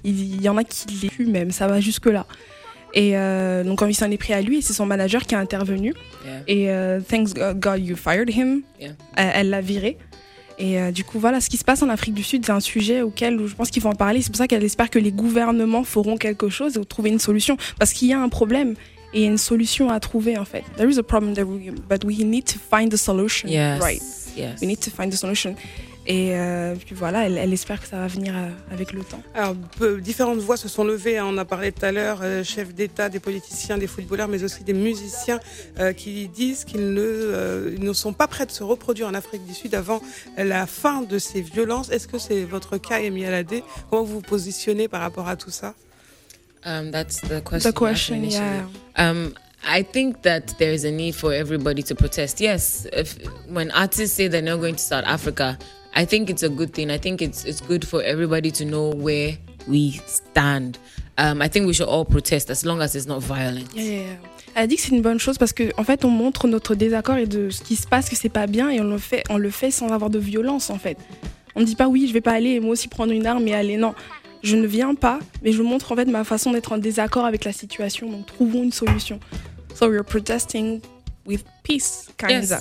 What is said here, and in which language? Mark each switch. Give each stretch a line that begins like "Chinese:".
French: Il y en a qui les tuent même, ça va jusque-là. Et donc quand il s'en est pris à lui, c'est son manager qui a intervenu.
English: Yeah. Et thanks God you fired him. Yeah.
French: Elle l'a viré. Et du coup, voilà, ce qui se passe en Afrique du Sud, c'est un sujet auquel je pense qu'il faut en parler. C'est pour ça qu'elle espère que les gouvernements feront quelque chose et trouver une solution. Parce qu'il y a un problème. Et une solution à trouver, en fait.
English: There is a problem, but we need to find the solution, yes, right? Yes. We need to find the solution.
French: Et puis voilà, elle espère que ça va venir avec le temps. Alors, différentes voix se sont levées. Hein. On a parlé tout à l'heure, chefs d'État, des politiciens, des footballeurs, mais aussi des musiciens qui disent qu'ils ne sont pas prêts de se reproduire en Afrique du Sud avant la fin de ces violences. Est-ce que c'est votre cas, Emi Alade? Comment vous vous positionnez par rapport à tout ça?
English: That's the question. The question, I think that there is a need for everybody to protest. Yes, when artists say they're not going to South Africa, I think it's a good thing. I think it's good for everybody to know where we stand. I think we should all protest as long as it's not violent. Yeah, yeah, yeah.
French: Elle dit que c'est une bonne chose parce que en fait on montre notre désaccord et de ce qui se passe que c'est pas bien et on le fait sans avoir de violence en fait. On ne dit pas oui, je vais pas aller moi aussi prendre une arme et aller non. Je ne viens pas, mais je montre en fait ma façon d'être en désaccord avec la situation. Donc, trouvons une solution.
English: So we're protesting with peace, Kanza.